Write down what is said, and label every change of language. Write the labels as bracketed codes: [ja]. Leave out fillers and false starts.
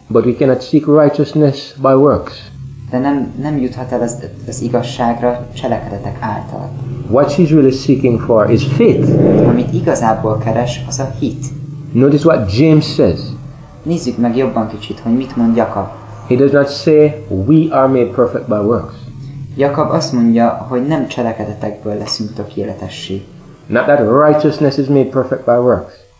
[en] But we cannot seek righteousness by works. [hu] De nem juthat el az igazságra cselekedetek által. [en] What she's really seeking for is faith. [hu] Amit igazából keres, az a hit. [en] Notice what James says. [hu] Nézzük meg jobban kicsit, hogy mit mond Jakab. [en] He does not say we are made perfect by works. [hu] Jakab azt mondja, hogy nem cselekedetekből leszünk tökéletessé. [en] Not that righteousness is made perfect by works.